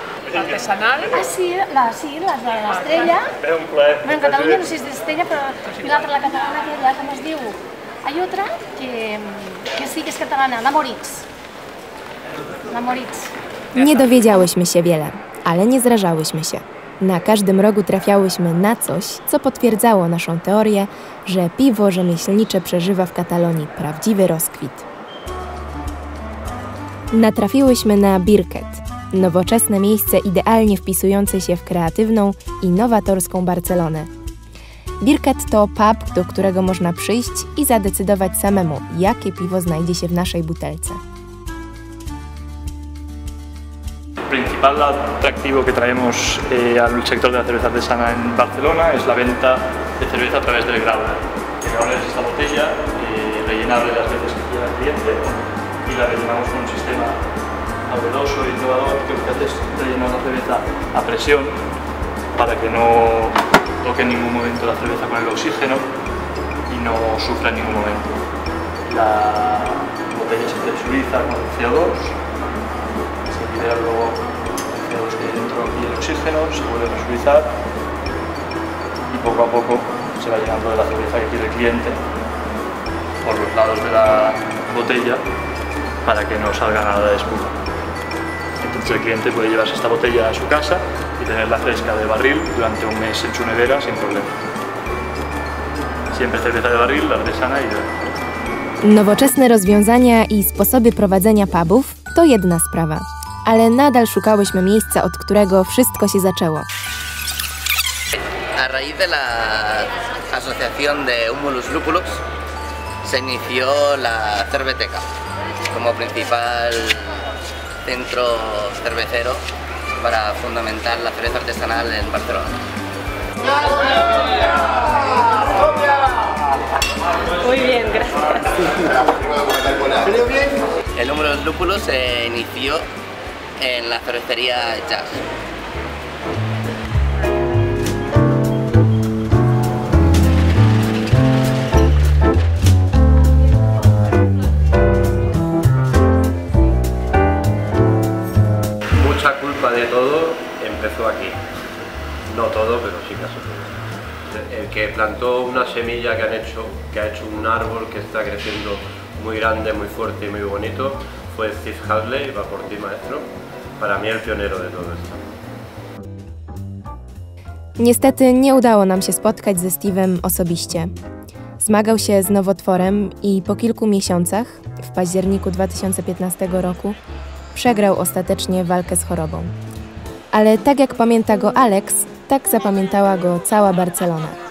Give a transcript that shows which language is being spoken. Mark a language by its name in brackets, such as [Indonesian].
[Spanish] Artesanal. Así, la estrella. Bueno, en Cataluña no sé si es de estrella, pero y la otra, la catalana, que ya como os digo. Hay otra que sí que es catalana, la Moritz. La Moritz. [Polish] Nie dowiedziałyśmy się wiele, ale nie zrażałyśmy się. Na każdym rogu trafiałyśmy na coś, co potwierdzało naszą teorię, że piwo rzemieślnicze przeżywa w Katalonii prawdziwy rozkwit. Natrafiłyśmy na Birket, nowoczesne miejsce idealnie wpisujące się w kreatywną i nowatorską Barcelonę. Birket to pub, do którego można przyjść i zadecydować samemu, jakie piwo znajdzie się w naszej butelce. [Spanish] El principal atractivo que traemos al sector de la cerveza artesana en Barcelona es la venta de cerveza a través del grabo. El grabo es esta botella, rellenable las veces que quiera el cliente, y la rellenamos con un sistema novedoso e innovador que lo que hace es rellenar la cerveza a presión para que no toque en ningún momento la cerveza con el oxígeno y no sufra en ningún momento. La botella se presuriza con CO2. Luego el CO2 que hay dentro y el oxígeno se vuelve a presurizar y poco a poco se va llenando de la cerveza que quiere el cliente por los lados de la botella para que no salga nada de espuma. Entonces el cliente puede llevarse esta botella a su casa y tenerla fresca de barril durante un mes en su nevera sin problema. Siempre cerveza de barril, la artesana y ya. [Polish] Nowoczesne rozwiązania i sposoby prowadzenia pubów to jedna sprawa. Ale nadal szukałyśmy miejsca, od którego wszystko się zaczęło. [Spanish] A raíz de la asociación de Humulus Lupulus se inició la cerveteca como principal centro cervecero para fundamentar la cerveza artesanal en Barcelona. Muy bien, gracias. El Humulus Lupulus se inició en la cervecería Jazz. Mucha culpa de todo empezó aquí. No todo, pero sí casi todo. El que plantó una semilla que ha hecho un árbol que está creciendo muy grande, muy fuerte y muy bonito, fue Steve Huxley, va por ti, maestro. Para mí el pionero de todo esto. [Polish] Niestety nie udało nam się spotkać ze Steve'em osobiście. Zmagał się z nowotworem i po kilku miesiącach, w październiku 2015 roku, przegrał ostatecznie walkę z chorobą. Ale tak jak pamięta go Alex, tak zapamiętała go cała Barcelona.